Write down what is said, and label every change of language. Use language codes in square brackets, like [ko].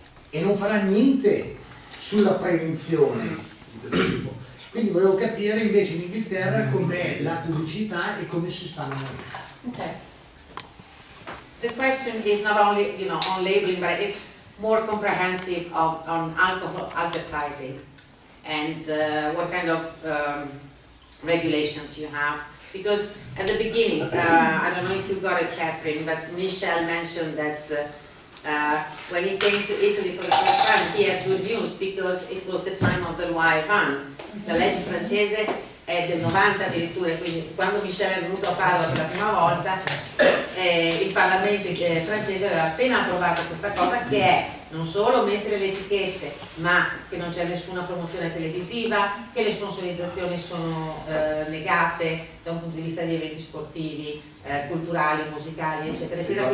[it] E non farà niente sulla prevenzione di questo tipo. Quindi volevo capire invece in Inghilterra com'è la pubblicità e come si stanno muovendo. [en] Okay. The question is not only, you know, on labeling, but it's more comprehensive of, on alcohol advertising and what kind of regulations you have. Because at the beginning, I don't know if you got it, Catherine, but Michel mentioned that when he came to Italy for the first time, he had good news because it was the time of the Loi Van. [it] La legge francese è del 90 addirittura, quindi quando Michel è venuto a Padova per la prima volta, il Parlamento francese aveva appena approvato questa cosa, che è non solo mettere le etichette, ma che non c'è nessuna promozione televisiva, che le sponsorizzazioni sono negate da un punto di vista di eventi sportivi, culturali, musicali, eccetera, eccetera.